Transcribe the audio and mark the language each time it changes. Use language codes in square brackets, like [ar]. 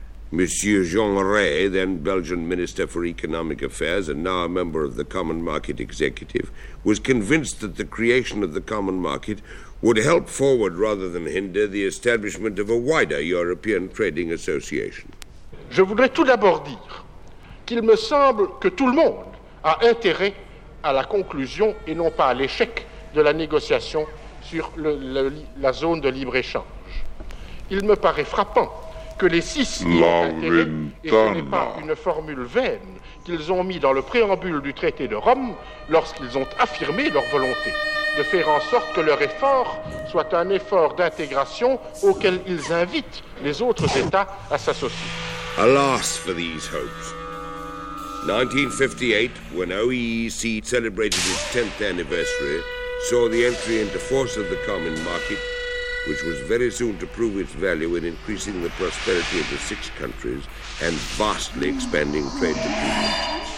[en] Monsieur Jean Rey, then Belgian Minister for Economic Affairs and now a member of the Common Market Executive, was convinced that the creation of the Common Market would help forward rather than hinder the establishment of a wider European trading association. [fr] Je voudrais tout d'abord dire qu'il me semble que tout le monde a intérêt à la conclusion et non pas à l'échec de la négociation sur la zone de libre-échange. Il me paraît frappant que les six y aient intérêt, et ce n'est pas une formule vaine qu'ils ont mis dans le préambule du traité de Rome lorsqu'ils ont affirmé leur volonté de faire en sorte que leur effort soit un effort d'intégration auquel ils invitent les autres États à s'associer. [en] Alas for these hopes. 1958, when OEEC celebrated its 10th anniversary, saw the entry into force of the common market, which was very soon to prove its value in increasing the prosperity of the six countries and vastly expanding trade between them.